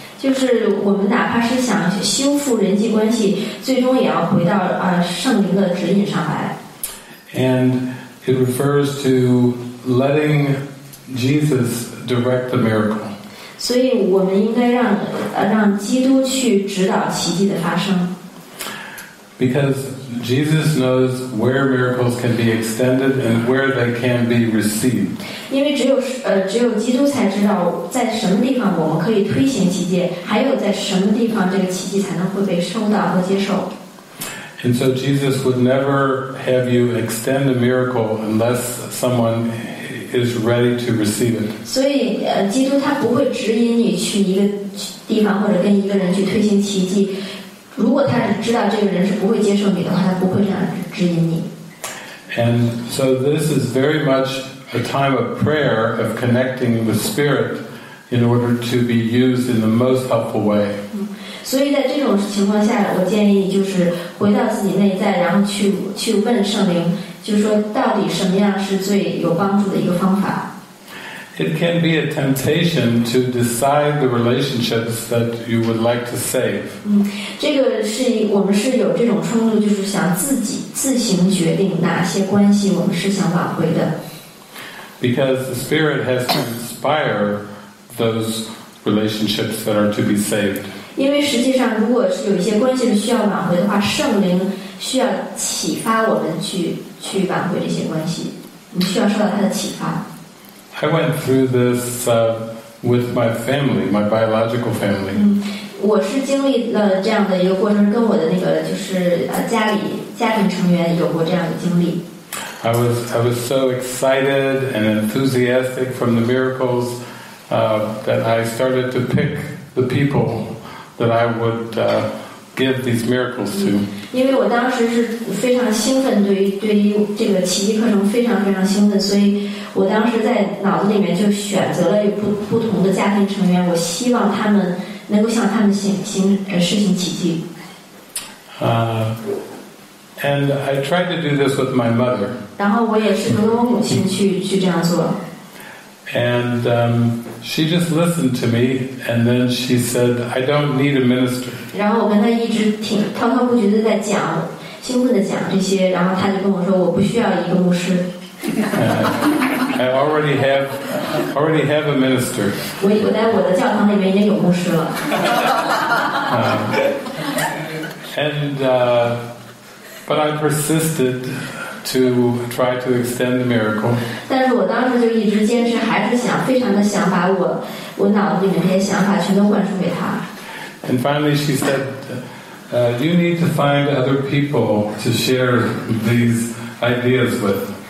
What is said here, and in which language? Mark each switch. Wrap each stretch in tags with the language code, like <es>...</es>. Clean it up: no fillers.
<zh>就是我们哪怕是想修复人际关系，最终也要回到圣灵的指引上来。</zh> <en>And it refers to letting Jesus direct the miracle.</en> <zh>所以我们应该让基督去指导奇迹的发生。</zh> <en>Because Jesus knows where miracles can be extended and where they can be received.</en> <zh>因为只有基督才知道在什么地方我们可以推行奇迹，还有在什么地方这个奇迹才能会被收到和接受。</zh> <en>And so Jesus would never have you extend a miracle unless someone is ready to receive it.</en> <zh>所以基督他不会指引你去一个地方或者跟一个人去推行奇迹。如果他知道这个人是不会接受你的话，他不会这样指引你。</zh> <en>And so this is very much a time of prayer, of connecting with Spirit, in order to be used in the most helpful way.</en> <zh>所以在这种情况下，我建议就是回到自己内在，然后去问圣灵，就是说到底什么样是最有帮助的一个方法。</zh> <en>It can be a temptation to decide the relationships that you would like to save.</en> <zh>这个是我们是有这种冲动，就是想自行决定哪些关系我们是想挽回的。</zh> <en>Because the Spirit has to inspire those relationships that are to be saved.</en> <zh>因为实际上，如果是有一些关系是需要挽回的话，圣灵需要启发我们去挽回这些关系，我们需要受到他的启发。</zh> <en>I went through this with my family, my biological family.</en> <zh>我是经历了这样的一个过程，跟我的那个就是家庭成员有过这样的经历。</zh> <en>I was so excited and enthusiastic from the miracles that I started to pick the people that I would give these miracles to.</en> <zh>因为我当时是非常兴奋，对于这个奇迹课程非常非常兴奋，所以。我当时在脑子里面就选择了不同的家庭成员，我希望他们能够向他们施行奇迹。</zh> <en>And I tried to do this with my mother.</en> <zh>然后我也是跟我母亲去这样做。</zh> <en>And she just listened to me, and then she said, "I don't need a minister."</en> <zh>然后我跟她一直挺滔滔不绝的在讲，兴奋的讲这些，然后她就跟我说，我不需要一个牧师。</zh> <en>I already have a minister.</en> <zh>我在我的教堂里面已经有牧师了。</zh> <en>But I persisted to try to extend the miracle.</en> <zh>但是我当时就一直坚持，还是想非常的想把我脑子里面这些想法全都灌输给他。</zh> <en>And finally, she said, "You need to find other people to share these ideas with."</en>